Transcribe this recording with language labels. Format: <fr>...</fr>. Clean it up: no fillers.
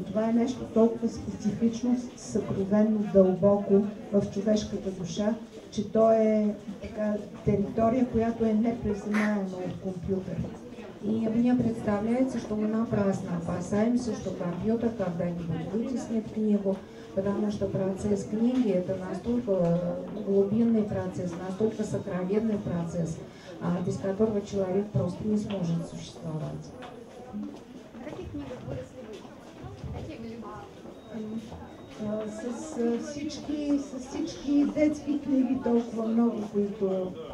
<bg>Това е нещо толкова специфично, съкровено, дълбоко в човешката душа, че то е така територия, която е непрезнаема от компютъра.</bg> <ru>И мне представляется, что мы напрасно опасаемся, что компьютер когда-нибудь вытеснит книгу, потому что процесс книги – это настолько глубинный процесс, настолько сокровенный процесс, без которого человек просто не сможет существовать. На каких книгах выросли вы? Какие были?</ru> <bg>Со всички детски книги толкова много, които...</bg>